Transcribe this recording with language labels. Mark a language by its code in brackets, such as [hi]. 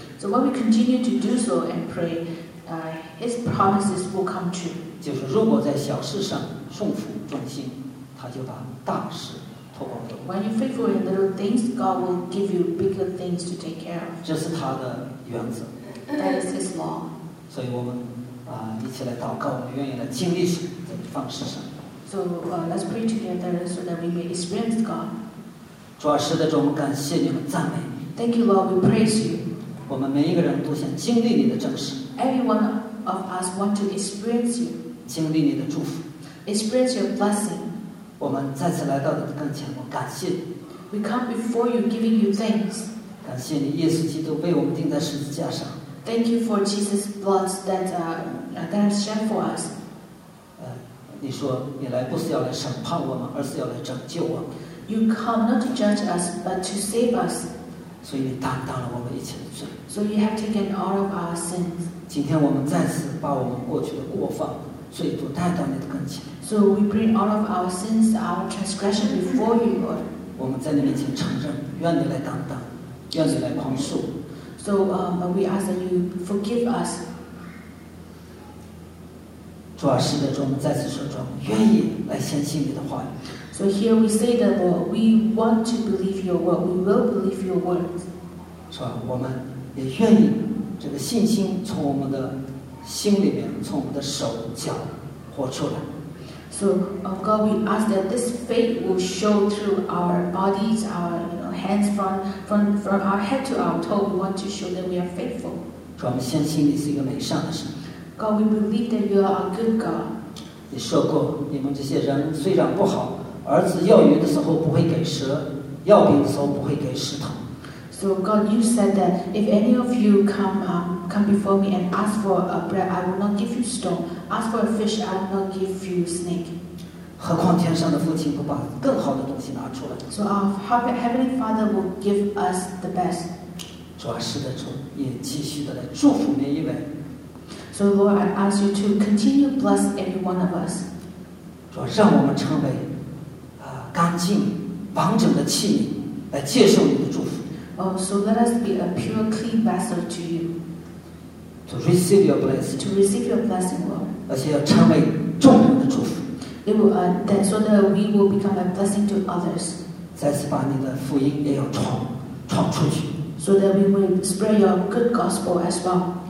[en] So when we continue to do so and pray, His promises will come true. [zh] 就是如果在小事上顺服忠心，他就把大事托管给我。 [en] When you faithful in little things, God will give you bigger things to take care of. [zh] 这是他的原则。 [en] That is his law. [zh] 所以我们啊一起来祷告，我们愿意来经历神的方式上。 [en] So let's pray together so that we may experience God. [zh] 主啊，实在是我们感谢你，我们赞美你。 [en] Thank you, Lord. We praise you. [zh] 我们每一个人都想经历你的真实。 [en] Every one of us want to experience you. [zh] 经历你的祝福。 [en] Experience your blessing. [zh] 我们再次来到你的跟前，我感谢你。 [en] We come before you, giving you thanks. [zh] 感谢你，耶稣基督为我们钉在十字架上。 [en] Thank you for Jesus' blood that that is shed for us. [zh] 你说你来不是要来审判我们，而是要来拯救我们。 [en] You come not to judge us, but to save us. [zh] 所以你担当了我们一切的罪。 [en] So you have taken all of our sins. [zh] 今天我们再次把我们过去的过犯、罪都带到你的跟前。 [en] So we bring all of our sins, our transgression before you, Lord. [zh] 我们在你面前承认，愿你来担当，愿你来宽恕。 [en] So we ask that you forgive us. [zh] 主啊，实在是我们再次说出，愿意来相信你的话语。 [en] So here we say that Lord, we want to believe your word. We will believe your word. [zh] 是吧？我们也愿意这个信心从我们的心里面，从我们的手脚活出来。 [en] So God, we ask that this faith will show through our bodies, our hands, from our head to our toe. We want to show that we are faithful. [zh] 主啊，我们相信你是一个美善的神。 [en] God, we believe that you are a good God. [zh] 你说过，你们这些人虽然不好。儿子要鱼的时候不会给蛇，要饼的时候不会给石头。 [en] So God, you said that if any of you come before me and ask for a bread, I will not give you stone. Ask for a fish, I will not give you snake. [zh] 何况天上的父亲不把更好的东西拿出来 [en] ？So our heavenly Father will give us the best. [zh] 主啊，是的，主也继续的来祝福每一位。 [en] So Lord, I ask you to continue bless every one of us. [zh] 主啊，让我们成为。干净、完整的器皿，来接受你的祝福。 [en] So let us be a pure, clean vessel to you. To receive your blessing. To receive your blessing, Lord. [zh] 而且要成为众人的祝福。 [en] It will that so that we will become a blessing to others. [zh] 再次把你的福音也要传出去。 [en] So that we will spread your good gospel as well.